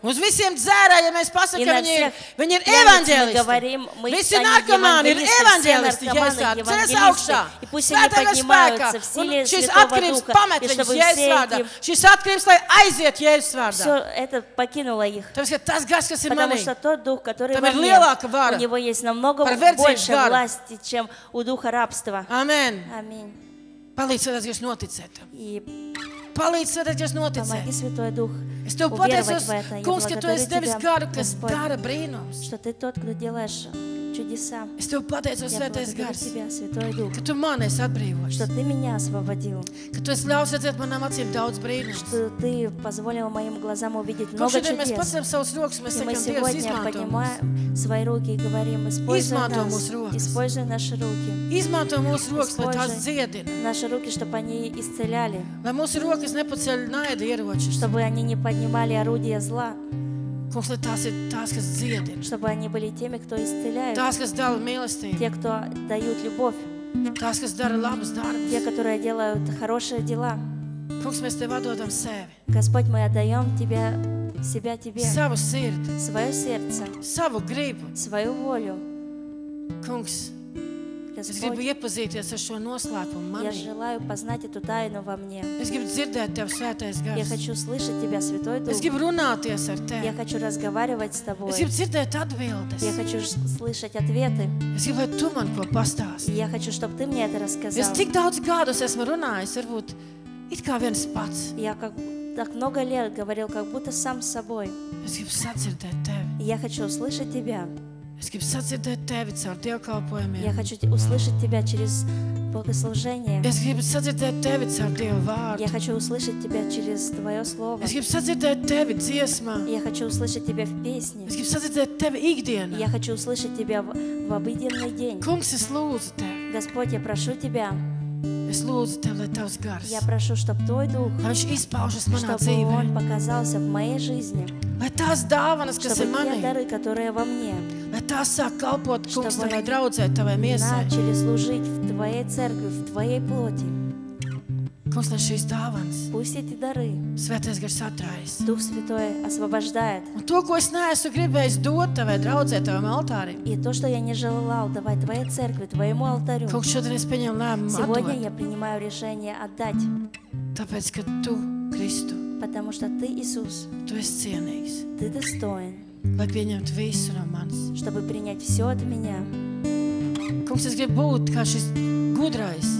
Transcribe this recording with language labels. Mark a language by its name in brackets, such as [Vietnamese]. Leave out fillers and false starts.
[Latvian] Uz visiem dzērājiem mēs pasakam, viņi ir evaņģēlisti. Visi narkomāni ir evaņģēlisti, Jēzā, cēs augšā. Svētāga spēka. Un šis atkrīt. Šis atkrīts, lai aiziet Jēzus vārdā. [Russian] Все это покинуло их. [Latvian] Tāpēc, ka tas gars, kas ir [Russian] Потому [Latvian] manī, [Russian] что тот дух, который [Latvian] tam ir lielāka vara. [Russian] У него есть намного больше gara. Власти, чем у духа рабства. [Latvian] Amen. Amen. Palīdz svētās, jūs noticēt. [Russian] И... [Latvian] Palīdz svētās, jūs noticēt. [Russian] Помоги, Святой Дух, [Latvian] es Tev pateicos, kungs, ka Tu esi devis garu, kas dara brīnums. [Russian] Что ты тот, кто делаешь чудеса. [Latvian] Es Tev pateicos, Svētais Gars, ka Tu mani esi atbrīvojis. [Russian] Что ты меня освободил. [Latvian] Ka Tu esi ļaus redzēt manām acīm daudz brīnums. [Russian] Что ты позволил моим глазам увидеть много чудес. [Latvian] Mēs pasiem savus rokas, mēs sakam, Dievs, izmanto mūs. [Russian] Свои руки и говорим, используй нас. Используй наши руки. [Latvian] Izmanto mūs rokas, lai tās dziedina. [Russian] Наши руки, чтобы они исцеляли. [Latvian] Lai mūsu rokas nepaceļ naida ieroči. [Russian] Чтобы они не поднимали орудия зла. [Latvian] Kungs, lai tās ir tās, kas dziedina. [Russian] Чтобы они были теми, кто исцеляют. [Latvian] Tās, kas dala mīlestību. [Russian] Те, кто дают любовь. [Latvian] Tās, kas dara labas darbas. [Russian] Те, которые делают хорошие дела. [Latvian] Kungs, mēs Tev atdodam sevi. [Russian] Господь, мы отдаём Тебе себя Тебе. [Latvian] Savu sirdi. [Russian] Своё сердце. [Latvian] Savu gribu. [Russian] Свою волю. [Latvian] Kungs, Господь, es gribu iepazīties ar šo noslēpumu manī. [Russian] Я желаю познать эту тайну во мне. [Latvian] Es gribu dzirdēt Tev, Svētais Gars. [Russian] Я хочу слышать Тебя, Святой Дух. [Latvian] Es gribu runāties ar Tevi. [Russian] Я хочу разговаривать с Тобой. [Latvian] Es gribu dzirdēt atbildes. [Russian] Я хочу слышать ответы. [Latvian] Es gribu, lai Tu man ko pastāsti. [Russian] Я хочу, чтобы Ты мне это рассказал. [Latvian] Es tik daudz gadus esmu runājis, varbūt it kā viens pats. [Russian] Я как так много лет говорил, как будто сам с собой. [Latvian] Es gribu sadzirdēt Tevi. [Russian] Я хочу услышать Тебя. [Latvian] Es gribu sadzirdēt Tevi caur dievkalpojumiem. [Russian] Я хочу услышать Тебя через богослужение. [Latvian] Es gribu sadzirdēt Tevi caur Dieva vārdu. [Russian] Я хочу услышать Тебя через Твое слово. [Latvian] Es gribu sadzirdēt Tevi dziesmā. [Russian] Я хочу услышать Тебя в песне. [Latvian] Es gribu sadzirdēt Tevi ikdienā. [Russian] Я хочу услышать Тебя в обыденный день. [Latvian] Kungs, es lūdzu Tevi. [Russian] Господь, я прошу Тебя. [Latvian] Es lūdzu Tev, lai Tavs gars. [Russian] Я прошу, чтоб Твой дух. [Latvian] Lai viņš izpaužas manā dzīvē. [Russian] Чтобы он показался в моей жизни. [Latvian] Lai tās dāvanas, kas ir manī. [Russian] Чтобы те дары, которые во мне. [Latvian] Lai tās sāk kalpot, kungs, tavai draudzē, tavai miesai. [Russian] Начали служить в твоей церкви, в твоей плоти. [Latvian] Kungs, lai šīs dāvanas. [Russian] Пусть эти дары. [Latvian] Svētais gars atrājas. [Russian] Дух святой освобождает. [Latvian] Un to, ko es neesmu gribējis dot tavai draudzē, tavam altārim. [Russian] И то, что я не желал давать твоей церкви, твоему алтарю. [Latvian] Kungs, šodien es pieņemu lēmumu atdot. [Russian] Сегодня я принимаю решение отдать. [Latvian] Tāpēc, ka tu, Kristu. [Russian] Потому что ты, Иисус. [Latvian] Tu esi cienīgs. [Russian] Ты достоин. [Latvian] Lai pieņemtu visu no manis. [Russian] Чтобы принять все от меня. [Latvian] Kungs, es gribu būt kā šis gudrais.